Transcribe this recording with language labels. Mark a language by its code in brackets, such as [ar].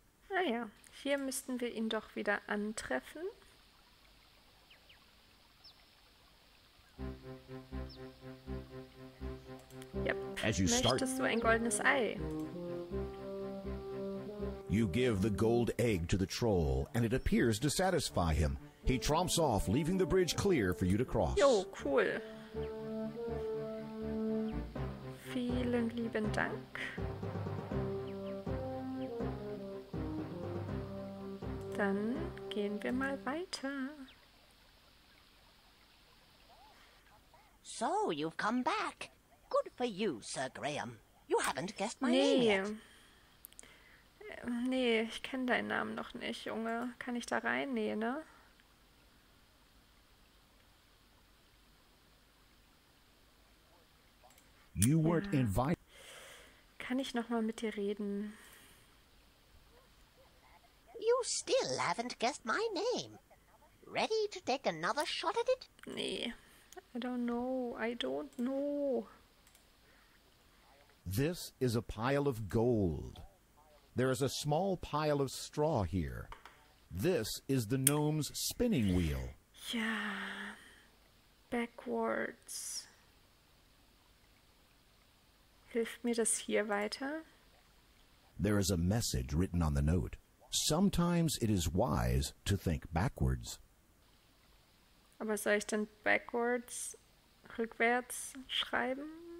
[de] Naja, hier müssten wir ihn doch wieder antreffen. [en] As you start, [de] Möchtest du ein goldenes Ei? [en] you give the gold egg to the troll, and it appears to satisfy him. He tromps off, leaving the bridge clear for you to cross. [de] Jo, cool. Vielen lieben Dank. Dann gehen wir mal weiter. [en] So, you've come back. Good for you, Sir Graham. You haven't guessed my name [de] Nee. [en] yet. [de] Nee, ich kenne deinen Namen noch nicht, Junge. Kann ich da rein? Nee, ne? [en] You weren't [de] Ja. [en] invited. [de] Kann ich noch mal mit dir reden? [en] You still haven't guessed my name. Ready to take another shot at it? Nee. I don't know. I don't know. This is a pile of gold. There is a small pile of straw here. This is the gnome's spinning wheel. [de] Ja, backwards. Hilft mir das hier weiter? [en] There is a message written on the note. Sometimes it is wise to think backwards. [de] Aber soll ich denn backwards, rückwärts schreiben?